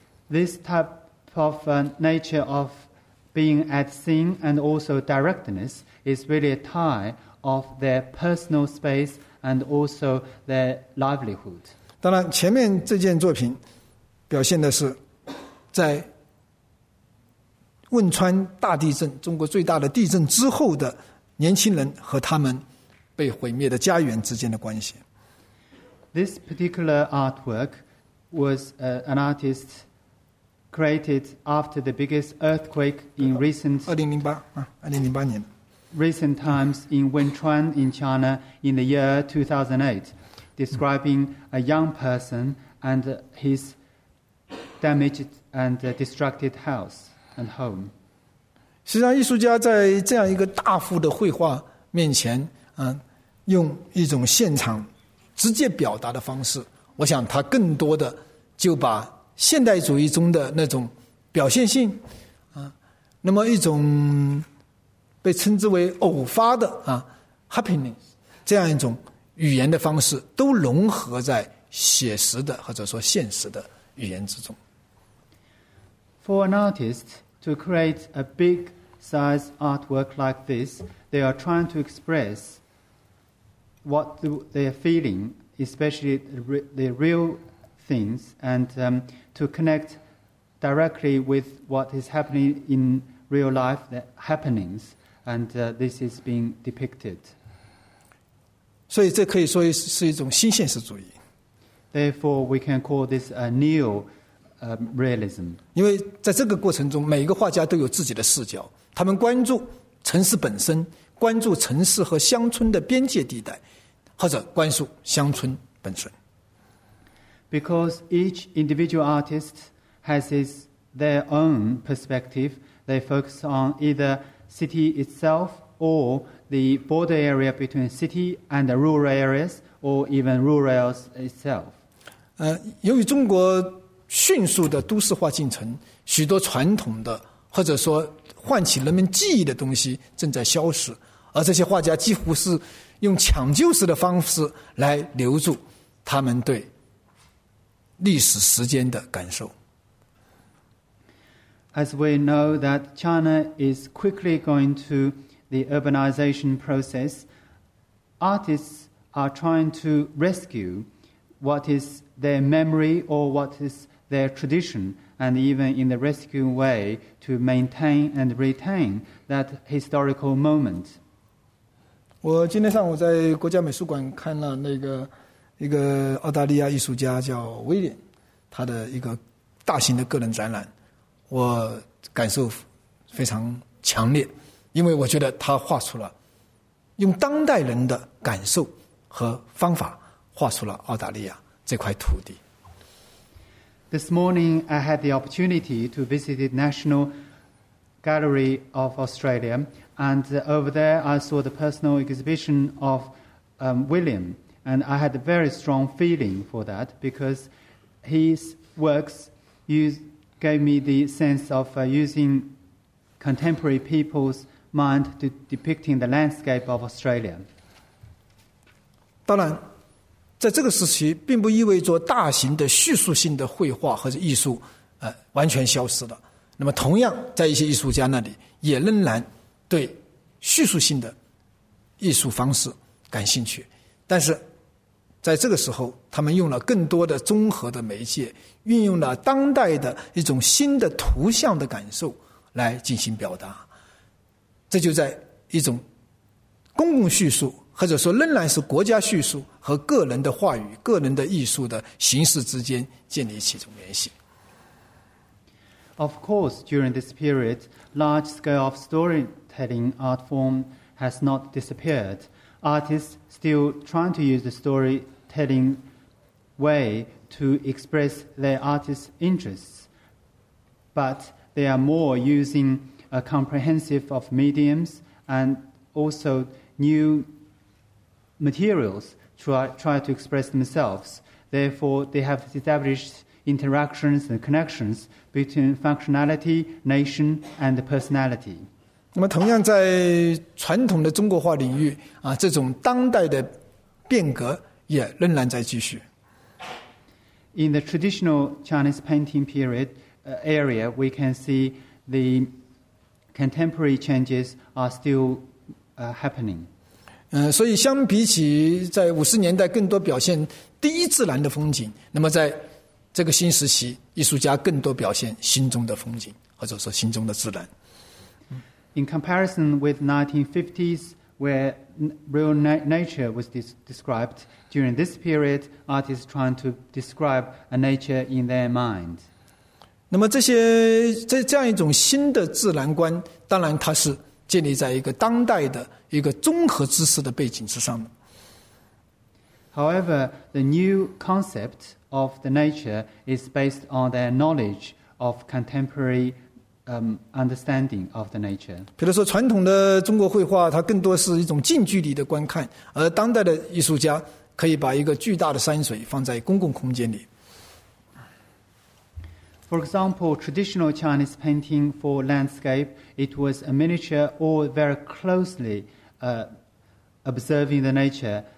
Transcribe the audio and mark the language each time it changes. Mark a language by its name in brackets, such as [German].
[English] This type of nature of being at scene and also directness is really a tie of their personal space and also their livelihood. [Chinese] 当然，前面这件作品表现的是在汶川大地震，中国最大的地震之后的年轻人和他们被毁灭的家园之间的关系。 [English] This particular artwork was an artist created after the biggest earthquake in recent [Chinese] 2008年 [English] recent times in Wenchuan in China in the year 2008, describing a young person and his damaged and destructed house and home. [Chinese] 实际上，艺术家在这样一个大幅的绘画面前，用一种现场直接表达的方式，我想他更多的就把现代主义中的那种表现性啊，那么一种被称之为偶发的啊 happiness 这样一种语言的方式都融合在写实的或者说现实的语言之中。 [English] For an artist to create a big size artwork like this, they are trying to express what they are feeling, especially the real things, and to connect directly with what is happening in real life, the happenings, and this is being depicted. [Chinese] 所以这可以说是一种新现实主义。 [English] Therefore, we can call this a neo realism. [Chinese] 因为在这个过程中，每一个画家都有自己的视角，他们关注城市本身，关注城市和乡村的边界地带，或者关注乡村本身。 [English] Because each individual artist has their own perspective, they focus on either city itself or the border area between city and the rural areas or even rural itself. [Chinese] 由于中国迅速的都市化进程，许多传统的或者说唤起人们记忆的东西正在消失，而这些画家几乎是用抢救式的方式来留住他们对历史时间的感受。 [English] As we know that China is quickly going to the urbanization process, artists are trying to rescue what is their memory or what is their tradition, and even in the rescue way to maintain and retain that historical moment. [Chinese] 我今天上午在国家美术馆看了那个一个澳大利亚艺术家叫威廉，他的一个大型的个人展览。我感受非常强烈，因为我觉得他画出了用当代人的感受和方法画出了澳大利亚这块土地。 [English] This morning I had the opportunity to visit the National Gallery of Australia, and over there I saw the personal exhibition of William, and I had a very strong feeling for that because his works gave me the sense of using contemporary people's mind to depicting the landscape of Australia. [Chinese] 当然，在这个时期，并不意味着大型的叙述性的绘画或者艺术，完全消失了。那么，同样在一些艺术家那里，也仍然对叙述性的艺术方式感兴趣。但是，在这个时候，他们用了更多的综合的媒介，运用了当代的一种新的图像的感受来进行表达。这就在一种公共叙述，或者说仍然是国家叙述和个人的话语、个人的艺术的形式之间建立起一种联系。 [English] Of course, during this period, large scale of storytelling art form has not disappeared. Artists still trying to use the storytelling way to express their artists' interests, but they are more using a comprehensive of mediums and also new materials to try to express themselves. Therefore, they have established interactions and connections between functionality, nation, and personality. [Chinese] 那么同样在传统的中国画领域啊，这种当代的变革也仍然在继续。 [English] In the traditional Chinese painting period area, we can see the contemporary changes are still happening. [Chinese] 所以相比起在五十年代更多表现第一自然的风景，那么在这个新时期，艺术家更多表现心中的风景，或者说心中的自然。 [English] In comparison with 1950s, where real nature was described, during this period, artists trying to describe a nature in their mind. [Chinese] 那么这样一种新的自然观，当然它是建立在一个当代的一个综合知识的背景之上的。 [English] However, the new concept of the nature is based on their knowledge of contemporary understanding of the nature. [Chinese] 比如说传统的中国绘画它更多是一种近距离的观看，而当代的艺术家可以把一个巨大的山水放在公共空间里。 [English] For example, traditional Chinese painting for landscape, it was a miniature or very closely observing the nature.